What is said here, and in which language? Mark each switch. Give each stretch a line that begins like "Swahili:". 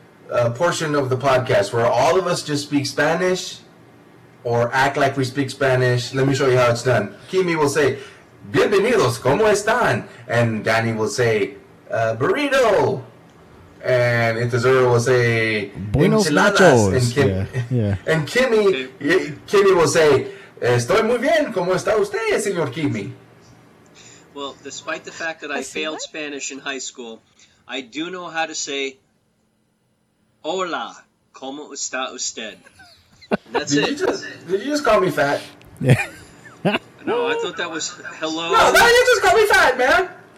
English: A portion of the podcast where all of us just speak Spanish or act like we speak Spanish. Let me show you how it's done. Kimi will say,
Spanish: bienvenidos, ¿cómo están?
English: And Danny will say, burrito. And Itazura will say,
Spanish: buenos nachos.
English: And Kimi, and Kimi will say,
Spanish: estoy muy bien, ¿cómo está usted, señor Kimi?
English: Well, despite the fact that I failed Spanish in high school, I do know how to say,
Spanish: hola, ¿cómo está usted?
English: That's it. Did you just call me fat? Yeah. No, I thought that was hello. No, you just called me fat, man.